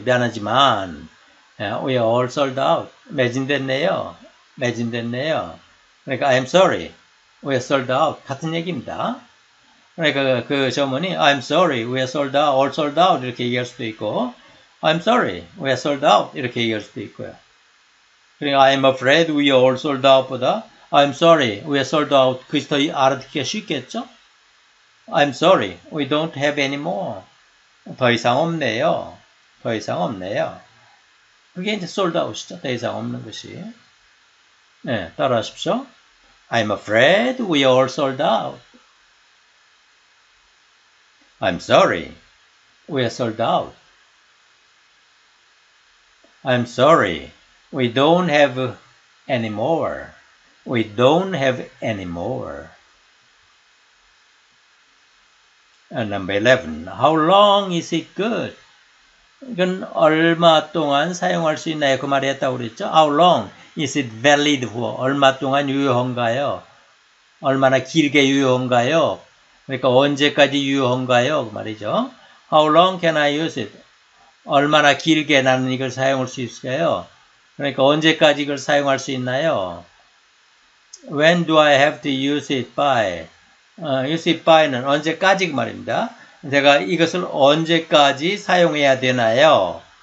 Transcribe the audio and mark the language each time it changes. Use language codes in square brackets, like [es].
[ko] 미안하지만. [en] We are all sold out. [ko] 매진됐네요. 매진됐네요. 그러니까 [en] I'm sorry. We are sold out. [ko] 같은 얘기입니다. 그러니까 그 점원이 [en] I'm sorry. We are sold out. All sold out. [ko] 이렇게 얘기할 수도 있고 [en] I'm sorry. We are sold out. [ko] 이렇게 얘기할 수도 있고요. 그러니까 I'm afraid we are all sold out보다 I'm sorry. [en] We are sold out. [ko] 그게 더 알아듣기가 쉽겠죠? [en] I'm sorry. We don't have any more. [ko] 더 이상 없네요. 더 이상 없네요. 그게 이제 솔드아웃이죠. 더 이상 없는 것이. 네, 따라 하십시오. [en] I'm afraid we all sold out. I'm sorry. We are sold out. I'm sorry. We don't have any more. We don't have any more. And number 11. How long is it good? [ko] 이건 얼마 동안 사용할 수 있나요? 그 말을 했다고 그랬죠? [en] How long is it valid for? [ko] 얼마 동안 유효한가요? 얼마나 길게 유효한가요? 그러니까 언제까지 유효한가요? 그 말이죠. [en] How long can I use it? [ko] 얼마나 길게 나는 이걸 사용할 수 있을까요? 그러니까 언제까지 이걸 사용할 수 있나요? [en] When do I have to use it by? Use it by [ko] 는 언제까지 그 말입니다. 제가 이것을 언제까지 사용해야 되나요?